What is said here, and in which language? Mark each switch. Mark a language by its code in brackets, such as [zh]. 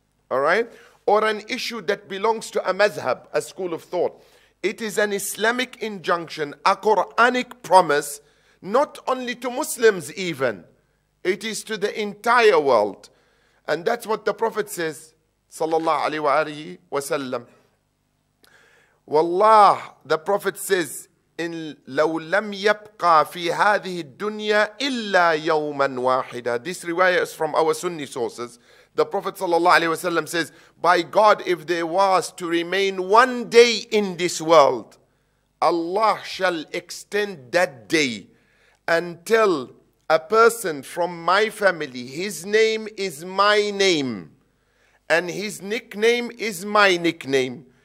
[en] All right, or an issue that belongs to a mazhab, a school of thought. It is an Islamic injunction, a Quranic promise, not only to Muslims even. It is to the entire world. And that's what the Prophet says, sallallahu alayhi wa sallam. Wallah, the Prophet says, in [ar] لو لم يبقى في هذه الدنيا إلا يوما واحدا. [en] This riwayah is from our Sunni sources. The Prophet ﷺ says, by God, if there was to remain one day in this world, Allah shall extend that day until a person from my family, his name is my name, and his nickname is my nickname.